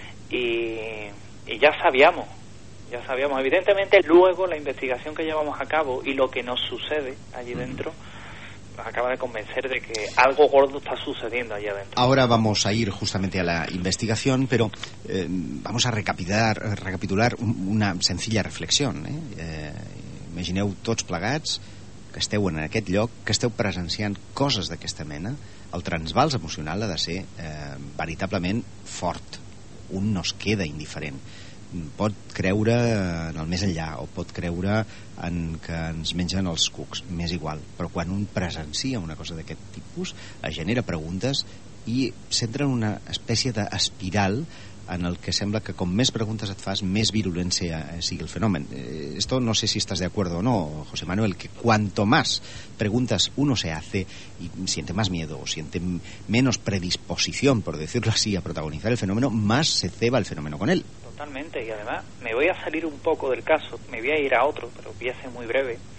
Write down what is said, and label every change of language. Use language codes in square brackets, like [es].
[es] Y ya sabíamos. Ya sabíamos, evidentemente, luego la investigación que llevamos a cabo y lo que nos sucede allí dentro nos acaba de convencer de que algo gordo está sucediendo allí adentro. Ahora vamos a ir justamente a la investigación, pero vamos a recapitular una sencilla reflexión. [ca] Imagineu tots plegats que esteu en aquest lloc, que esteu presenciant coses d'aquesta mena. El transvals emocional ha de ser veritablement fort. Un no es queda indiferent. Pot creure en el més enllà, o pot creure en que ens mengen els cucs, més igual, però quan un presencia una cosa d'aquest tipus es genera preguntes i s'entra en una espècie d'espiral en el que sembla que com més preguntes et fas, més virulència sigui el fenomen. [es] Esto no sé si [ca] estàs d'acord [es] o no, José Manuel, que cuanto más preguntes uno se hace y siente más miedo o siente menos predisposición, por decirlo así, a protagonizar el fenómeno, más se ceba el fenómeno con él. Totalmente. Y además, me voy a salir un poco del caso, me voy a ir a otro, pero voy a ser muy breve.